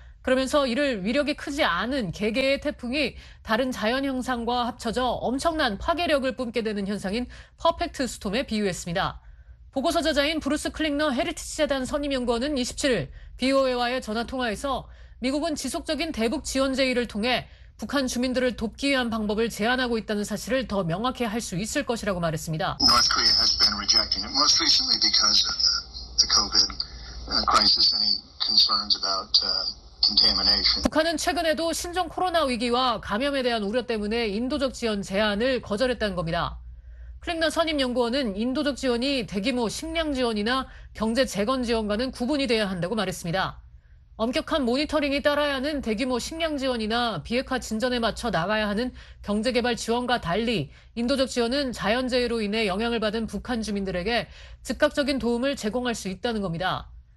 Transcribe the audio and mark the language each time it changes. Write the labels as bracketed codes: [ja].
[ko] 그러면서 이를 위력이 크지 않은 개개의 태풍이 다른 자연 현상과 합쳐져 엄청난 파괴력을 뿜게 되는 현상인 퍼펙트 스톰에 비유했습니다. 보고서 저자인 브루스 클링너 헤리티지 재단 선임연구원은 27일 BOA와의 전화통화에서 미국은 지속적인 대북 지원 제의를 통해 북한 주민들을 돕기 위한 방법을 제안하고 있다는 사실을 더 명확히 할 수 있을 것이라고 말했습니다. [en] North Korea has been rejecting it, most recently because of the COVID crisis, any concerns about contamination. [ko] 북한은 최근에도 신종 코로나 위기와 감염에 대한 우려 때문에 인도적 지원 제안을 거절했다는 겁니다. 클링너 선임연구원은 인도적 지원이 대규모 식량 지원이나 경제 재건 지원과는 구분이 돼야 한다고 말했습니다. 엄격한 모니터링이 따라야 하는 대규모 식량 지원이나 비핵화 진전에 맞춰 나가야 하는 경제개발 지원과 달리 인도적 지원은 자연재해로 인해 영향을 받은 북한 주민들에게 즉각적인 도움을 제공할 수 있다는 겁니다.